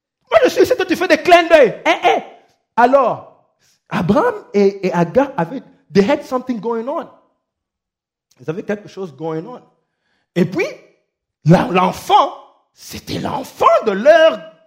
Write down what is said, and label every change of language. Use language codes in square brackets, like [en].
[fr] Moi je suis, c'est toi, tu fais des clins d'œil. Alors, Abraham et Agar avaient, [en] they had something going on. [fr] Ils avaient quelque chose [en] going on. [fr] Et puis, l'enfant, c'était l'enfant de leur...